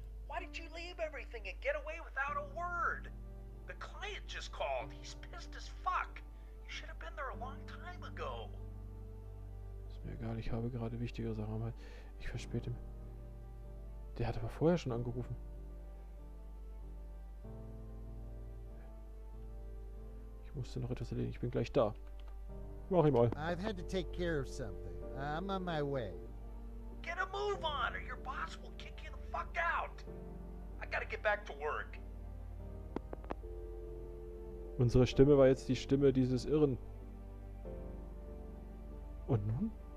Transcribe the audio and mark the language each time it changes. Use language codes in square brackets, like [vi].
[en] Why did you leave everything and get away without a word? The client just called. He's pissed as fuck. You should have been there a long time ago. [de] Ist mir egal, ich habe gerade wichtigere Sachen. Ich verspäte mich. Der hat aber vorher schon angerufen. Ich musste noch etwas erledigen. Ich bin gleich da. Mach ich mal. [en] I've had to take care of something. I'm on my way. Get a move on or your boss will kick you the fuck out. I gotta get back to work. [de] Unsere Stimme war jetzt die Stimme dieses Irren. Und nun?